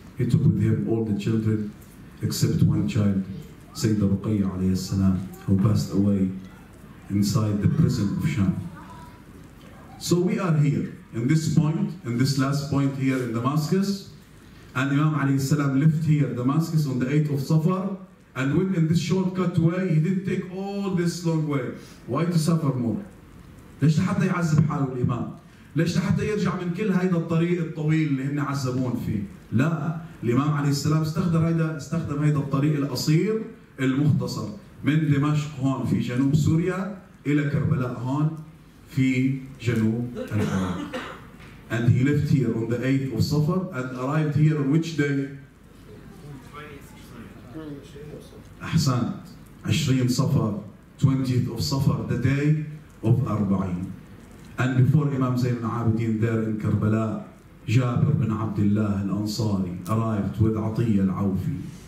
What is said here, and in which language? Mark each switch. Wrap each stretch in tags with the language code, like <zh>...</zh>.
<en>He took with him all the children except one child, Sayyidah Ruqayya alayhi salam, who passed away inside the prison of Sham. So we are here, in this point, in this last point here in Damascus, and Imam alayhi salam left here Damascus on the 8th of Safar, and went in this shortcut way. He didn't take all this long way. Why to suffer more?</en> <ar>ليش حتى يعذب حاله الإمام؟ ليش حتى يرجع من كل هيدا الطريق الطويل اللي هن عذبون فيه؟ لا، الإمام عليه السلام استخدم هيدا الطريق القصير المختصر من دمشق هون في جنوب سوريا إلى كربلاء هون في جنوب العراق.</ar> <en>And he left here on the 8th of Safar and arrived here on which day?</en> <ar>أحسنت، 20 صفر</ar> <en>20th of Safar, the day of 40. And before Imam Zain al-Abidin there in Karbala, Jabir bin Abdullah al-Ansari arrived with Atiyya al-Awfi.</en>